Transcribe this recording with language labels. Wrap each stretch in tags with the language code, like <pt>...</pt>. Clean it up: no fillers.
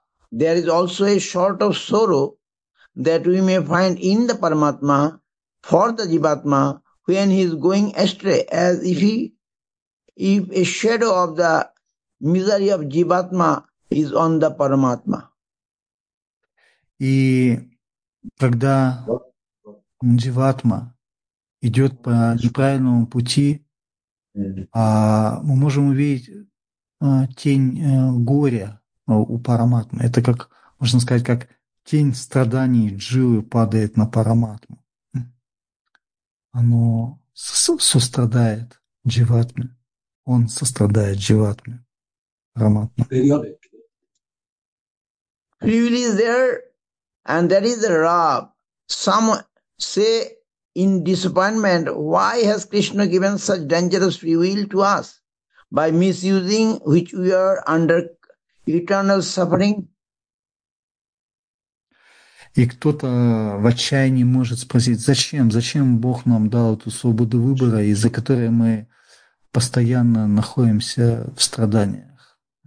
<en>There is also a sort of sorrow that we may find in the Paramatma for the Jivatma when he is going astray, as if a shadow of the misery of Jivatma is on the Paramatma.</en> <ru>И когда Jivatma идет по неправильному пути, мы можем увидеть тень горя у Параматмы. Это как, можно сказать, как тень страданий Дживы падает на Параматму. Оно сострадает Дживатме. Он сострадает Дживатме. Параматма.</ru> <en>Really there, and there is a rub. Some say in disappointment, why has Krishna given such dangerous free will to us by misusing which we are under eternal suffering?</en> <ru>И кто-то в отчаянии может спросить, зачем Бог нам дал эту свободу выбора, из-за которой мы постоянно находимся в страданиях?</ru>